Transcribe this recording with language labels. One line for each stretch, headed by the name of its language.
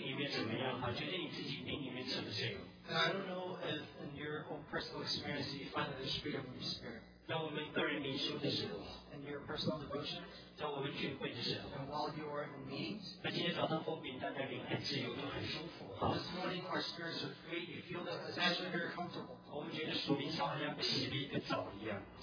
Chinese: 主就是那灵，主的灵在哪里，哪里就得以自由。好，再往下读。我们众人既然敞着脸，得以看见主的荣光，好像从镜子里反照，就变成主的形状，荣上加荣，如同从主的灵变成的。那就是我不晓得大家的心灵里面怎么样哈，究竟你自己灵里面怎么样？
English: And I don't know if in your own personal experience you find that there's freedom in your spirit.
Chinese: 在我们个人灵修的时候,
English: in your personal devotion.
Chinese: 在我们聚会的时候,
English: and while you are in meetings.
Chinese: 而今天早上后面大家灵很自由，都很舒服哈。
English: This morning our spirits are free. You feel that it's actually very comfortable.
Chinese: 我们觉得属灵上好像洗了一个澡一样。